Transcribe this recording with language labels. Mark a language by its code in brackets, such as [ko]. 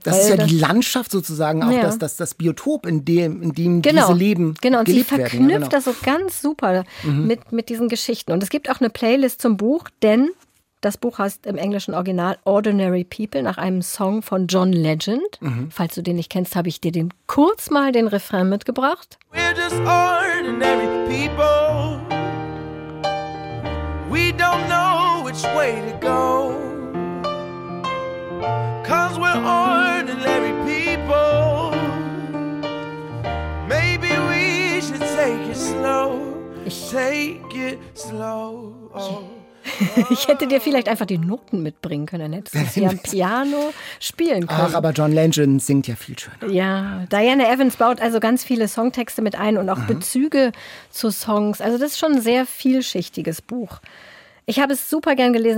[de] Das ist ja die Landschaft sozusagen, auch das Biotop, in dem genau, diese Leben genau, gelebt werden. Genau, und sie verknüpft das so ganz super mit diesen Geschichten. Und es gibt auch eine Playlist zum Buch, denn das Buch heißt im englischen Original Ordinary People nach einem Song von John Legend. Mhm. Falls du den nicht kennst, habe ich dir den kurz mal den Refrain mitgebracht. [en] We're just ordinary people. We don't know which way to go. Cause we're ordinary people. Maybe we should take it slow. Take it slow. [de] Ich hätte dir vielleicht einfach die Noten mitbringen können. Dann hättest du sie am Piano spielen können. Ach, aber John Legend singt ja viel schöner. Ja, Diana Evans baut also ganz viele Songtexte mit ein und auch Bezüge zu Songs. Also das ist schon ein sehr vielschichtiges Buch. Ich habe es super gern gelesen.